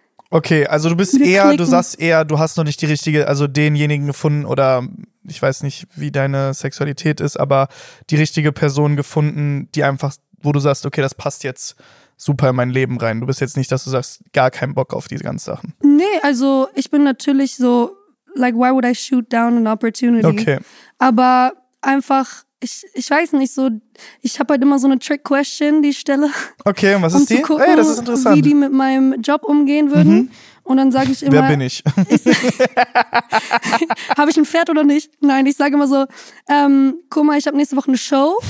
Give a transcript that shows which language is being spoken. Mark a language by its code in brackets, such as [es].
[de] Okay, also du bist eher, klicken. Du sagst eher, du hast noch nicht die richtige, also denjenigen gefunden oder... Ich weiß nicht, wie deine Sexualität ist, aber die richtige Person gefunden, die einfach, wo du sagst, okay, das passt jetzt super in mein Leben rein. Du bist jetzt nicht, dass du sagst, gar keinen Bock auf diese ganzen Sachen. Nee, also ich bin natürlich so, like, [en] why would I shoot down an opportunity? [de] Okay. Aber einfach, ich weiß nicht so, ich habe halt immer so eine Trick-Question, die ich stelle. Okay, und was ist die? Gucken, ey, das ist interessant. Wie die mit meinem Job umgehen würden. Mhm. Und dann sage ich immer... Wer bin ich? Habe ich ein Pferd oder nicht? Nein, ich sage immer so, guck mal, ich habe nächste Woche eine Show.